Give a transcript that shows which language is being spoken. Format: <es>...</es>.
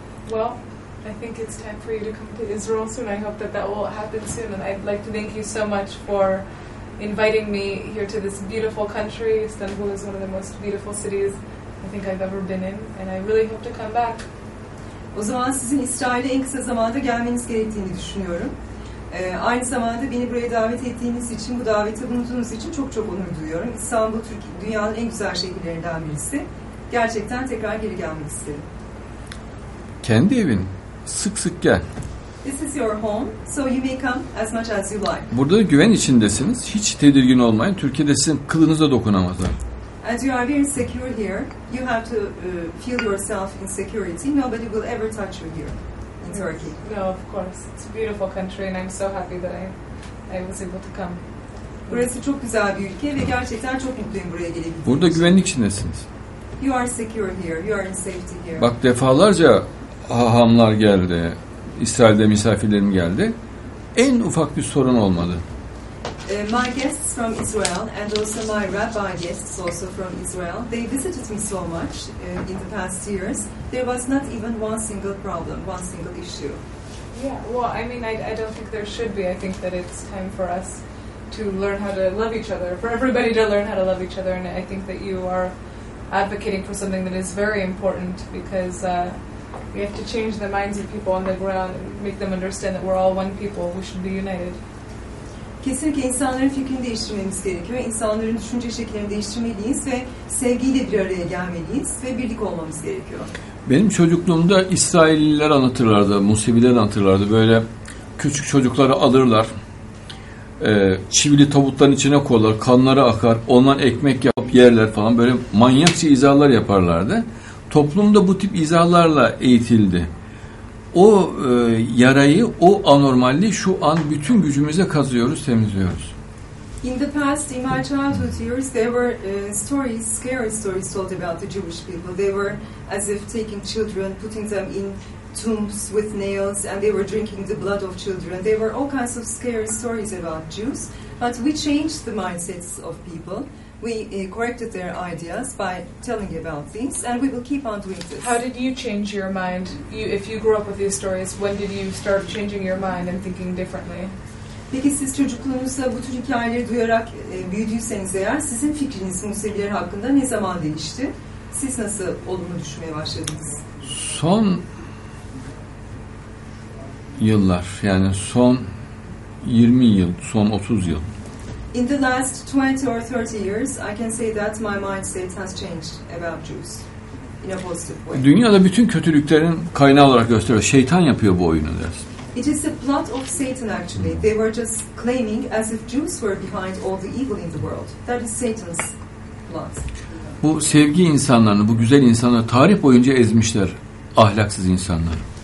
<en>Well, I think it's time for you to come to Israel soon. I hope that that will happen soon, and I'd like to thank you so much for inviting me here to this beautiful country. Istanbul is one of the most beautiful cities I think I've ever been in, and I really hope to come back.</en> <tr>O zaman sizin İsrail'e en kısa zamanda gelmeniz gerektiğini düşünüyorum. Aynı zamanda beni buraya davet ettiğiniz için, bu daveti bulunduğunuz için çok çok onur duyuyorum. İstanbul, Türkiye, dünyanın en güzel şehirlerinden birisi. Gerçekten tekrar geri gelmek isterim. Kendi evin. Sık sık gel.</tr> <en>This is your home, so you may come as much as you like.</en> <tr>Burada güven içindesiniz. Hiç tedirgin olmayın. Türkiye'de sizin kılınıza dokunamazlar.</tr> <en>And you are very secure here. You have to feel yourself in security. Nobody will ever touch you here. Turkey. No, of course. It's a beautiful country and I'm so happy that I was able to come.</en> <tr>Burası çok güzel bir ülke ve gerçekten çok mutluyum buraya gelebildiğim. Burada güvenlik içindesiniz.</tr> <en>You are secure here. You are in safety here.</en> <tr>Bak defalarca hahamlar geldi. İsrail'de misafirlerim geldi. En ufak bir sorun olmadı.</tr> <en>My guests from Israel and also my rabbi guests also from Israel, they visited me so much in the past years, there was not even one single problem, one single issue. Yeah, well, I mean, I don't think there should be. I think that it's time for us to learn how to love each other, for everybody to learn how to love each other, and I think that you are advocating for something that is very important, because we have to change the minds of people on the ground and make them understand that we're all one people, we should be united.</en> <tr>Kesinlikle insanların fikrini değiştirmemiz gerekiyor. İnsanların düşünce şekillerini değiştirmeliyiz ve sevgiyle bir araya gelmeliyiz ve birlik olmamız gerekiyor. Benim çocukluğumda İsrailliler anlatırlardı, Museviler anlatırlardı. Böyle küçük çocukları alırlar, çivili tabutların içine koyarlar, kanları akar, ondan ekmek yapıp yerler falan. Böyle manyakça izahlar yaparlardı. Toplumda bu tip izahlarla eğitildi. O yarayı, o anormalliği şu an bütün gücümüze kazıyoruz, temizliyoruz.</tr> <en>In the past, in my childhood years, there were stories, scary stories told about the Jewish people. They were as if taking children, putting them in tombs with nails, and they were drinking the blood of children. There were all kinds of scary stories about Jews, but we changed the mindsets of people. We corrected their ideas by telling about things, and we will keep on doing this. How did you change your mind? If you grew up with these stories, when did you start changing your mind and thinking differently?</en> <tr>Peki siz çocukluğunuzda bu tür hikayeleri duyarak büyüdüyseniz eğer, sizin fikriniz Museviler hakkında ne zaman değişti? Siz nasıl olumlu düşünmeye başladınız? Son yıllar, yani son 20 yıl, son 30 yıl.</tr> <en>In the last 20 or 30 years, I can say that my mindset has changed about Jews in a positive way.</en> <tr>Dünyada bütün kötülüklerin kaynağı olarak gösteriyor. Şeytan yapıyor bu oyunu der.</tr> <en>It is the plot of Satan actually. They were just claiming as if Jews were behind all the evil in the world. That is Satan's plot.</en> <tr>bu sevgi insanlarını, bu güzel insanları tarih boyunca ezmişler, ahlaksız insanlar.</tr>